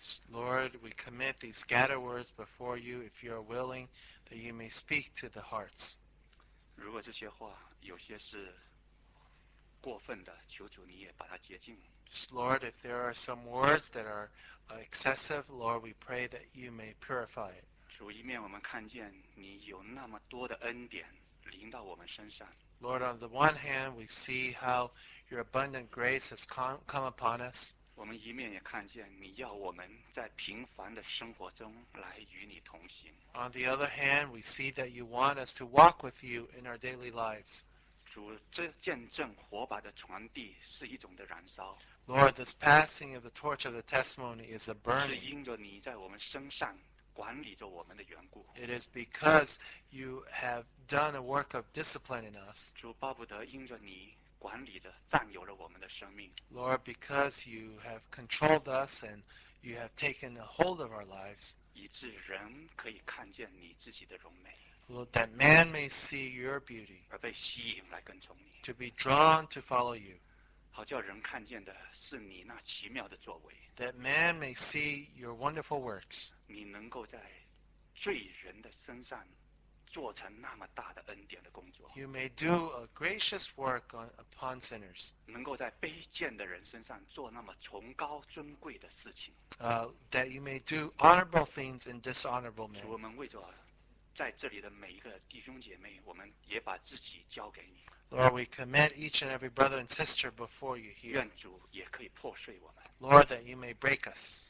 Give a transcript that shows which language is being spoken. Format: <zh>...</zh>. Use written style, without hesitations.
<en>Lord, we commit these scattered words before you. If you are willing, that you may speak to the hearts.</en> <zh>如果这些话有些是过分的，求主你也把它洁净。</zh> <en>Lord, if there are some words that are excessive, Lord, we pray that you may purify it.</en> <zh>主，一面我们看见你有那么多的恩典临到我们身上。</zh> <en>Lord, on the one hand, we see how your abundant grace has come upon us.</en> <zh>我们一面也看见你要我们在平凡的生活中来与你同行。</zh> <en>On the other hand, we see that you want us to walk with you in our daily lives.</en> <zh>主，这见证火把的传递是一种的燃烧。</zh> <en>Lord, this passing of the torch of the testimony is a burning.</en> <zh>是因着你在我们身上管理着我们的缘故。</zh> <en>It is because you have done a work of discipline in us.</en> <zh>主，巴不得因着你管理的占有了我们的生命。</zh> <en>Lord, because you have controlled us and you have taken a hold of our lives.</en> <zh>以致人可以看见你自己的荣美。</zh> <en>Lord, that man may see your beauty.</en> <zh>而被吸引来跟从你。</zh> <en>To be drawn to follow you.</en> <zh>好叫人看见的是你那奇妙的作为。</zh> <en>That man may see your wonderful works.</en> <zh>你能够在罪人的身上做成那么大的恩典的工作。</zh> <en>You may do a gracious work upon sinners.</en> <zh>能够在卑贱的人身上做那么崇高尊贵的事情。</zh> <en>That you may do honorable things in dishonorable men.</en> <zh>主，我们为着在这里的每一个弟兄姐妹，我们也把自己交给你。</zh> <en>Lord, we commit each and every brother and sister before you here.</en> <zh>愿主也可以破碎我们。</zh> <en>Lord, that you may break us.</en>